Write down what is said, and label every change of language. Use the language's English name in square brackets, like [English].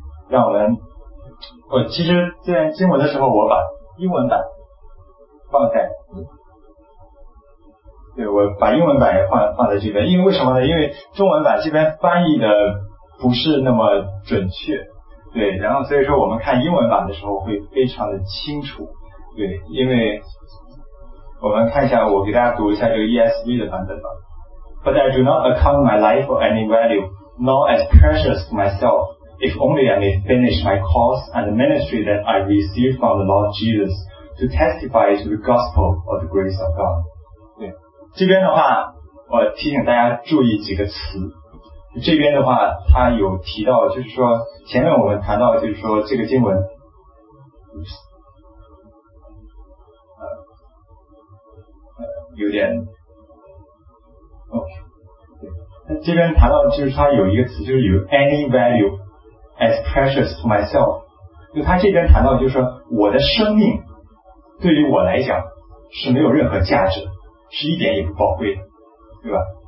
[Chinese] 让我们其实在经文的时候，我把英文版放在对我把英文版也 放在这边，因为为什么呢？因为中文版这边翻译的不是那么准确，对，然后所以说我们看英文版的时候会非常的清楚。对，因为我们看一下，我给大家读一下这个 ESV 的版本吧。 [English] But I do not account my life for any value, nor as precious to myself, if only I may finish my course and the ministry that I received from the Lord Jesus to testify to the gospel of the grace of God. [Chinese] 对，这边的话我提醒大家注意几个词。这边的话他有提到，就是说前面我们谈到，就是说这个经文有点 OK， 对，这边谈到就是他有一个词，就是有 any value as precious to myself，就他这边谈到就是说我的生命对于我来讲是没有任何价值，是一点也不宝贵的，对吧？